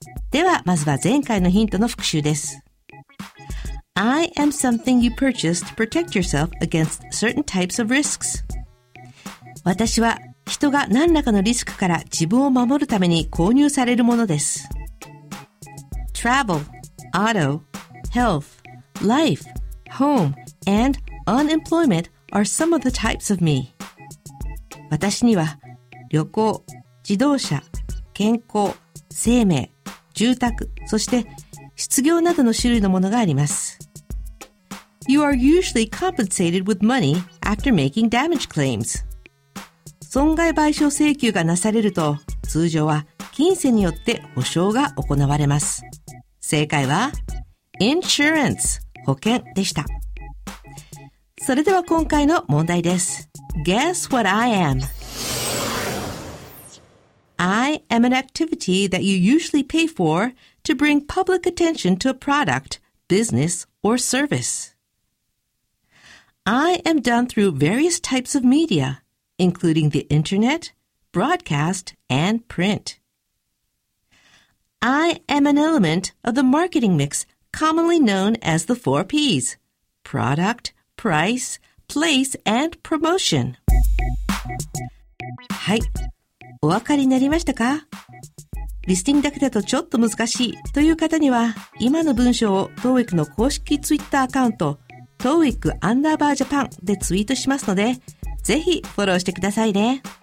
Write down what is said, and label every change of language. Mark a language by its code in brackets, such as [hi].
[ja] ではまずは前回のヒントの復習です。 [en] I am something you purchase to protect yourself against certain types of risks. [ja] 私は人が何らかのリスクから自分を守るために購入されるものです。 [en] Travel, auto, health, life, home, and unemployment are some of the types of me. [ja] 私には旅行、自動車、健康、生命、住宅、そして失業などの種類のものがあります。 [en] You are usually compensated with money after making damage claims. [ja] 損害賠償請求がなされると、通常は金銭によって保証が行われます。正解は、 [en] insurance、 [ja] 保険でした。それでは今回の問題です。 [en] Guess what I am? I am an activity that you usually pay for to bring public attention to a product, business, or service. I am done through various types of media, including the internet, broadcast, and print. I am an element of the marketing mix commonly known as the four P's, product, price, place, and promotion. Hi. [ja] お分かりになりましたか？リスティングだけだとちょっと難しいという方には、今の文章を TOEIC の公式ツイッターアカウント TOEIC アンダーバージャパンでツイートしますので、ぜひフォローしてくださいね。